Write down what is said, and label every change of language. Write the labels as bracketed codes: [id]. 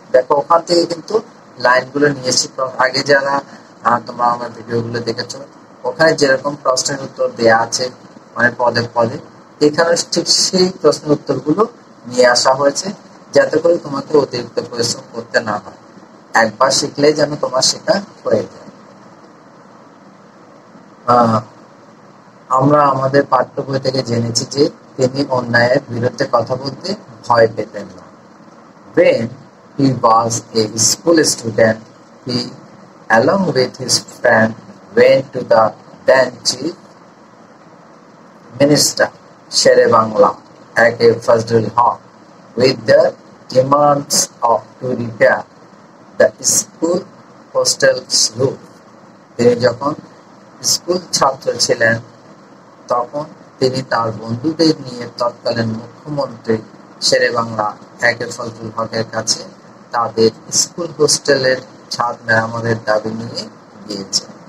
[bn] দেখো ওখান থেকে কিন্তু লাইনগুলো নিয়েছি, আগে যারা তোমরা আমার ভিডিওগুলো দেখেছো ওখানে যেরকম প্রশ্নের উত্তর দেওয়া আছে মানে পদে পদে, এখানে ঠিক সেই প্রশ্নের উত্তরগুলো নিয়ে আসা হয়েছে যাতে করে তোমাকে অতিরিক্ত পরিশ্রম করতে না হয়, একবার শিখলে যেন তোমার সেটা হয়ে যায়। আমরা আমাদের পাঠ্য বই থেকে জেনেছি যে তিনি অন্যায়ের বিরুদ্ধে কথা বলতে ভয় পেতেন না। [en] When he was a school student, he along with his friend went to the then chief minister Shere Bangla at a Fazlul Haq with the demands of to repair the school hostel roof. [bn] তিনি যখন school ছাত্র ছিলেন তখন তিনি তার বন্ধুদের নিয়ে তৎকালীন মুখ্যমন্ত্রী শেরে বাংলা একে ফজলুল হকের কাছে তাদের স্কুল হোস্টেলের ছাদ মেরামতের দাবি নিয়ে গিয়েছে।